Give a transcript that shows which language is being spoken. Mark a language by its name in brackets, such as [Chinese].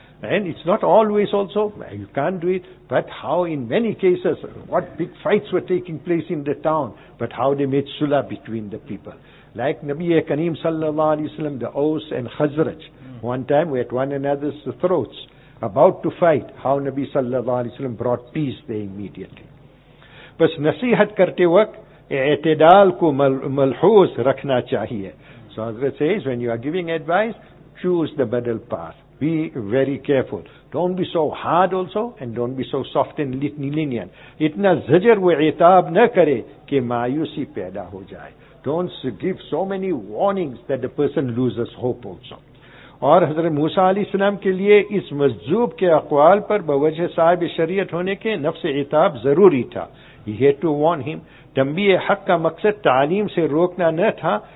[English] And it's not always also, you can't do it, but how in many cases, what big fights were taking place in the town, but how they made sula between the people. Like Nabi Kareem sallallahu alayhi wa sallam, the Aus and Khazraj, one time we're at one another's throats, about to fight, how Nabi sallallahu alayhi wa sallam brought peace there immediately. [Urdu] Bas nasihat karte waq, اعتدال کو ملحوظ رکھنا چاہیے. [English] So Hazrat says, when you are giving advice, choose the middle path. Be very careful. Don't be so hard also, and don't be so soft and lenient. [Urdu] اتنا زجر و عتاب نہ کرے کہ مایوسی پیدا ہو جائے. [English] Don't give so many warnings that the person loses hope also. [Urdu] اور حضرت موسیٰ علیہ السلام کے لیے اس مجذوب کے اقوال پر بوجہ صاحب شریعت ہونے کے نفس عتاب ضروری تھا. [English] He had to warn him. [Urdu] تنبیہ حق کا مقصد تعلیم سے روکنا نہ تھا.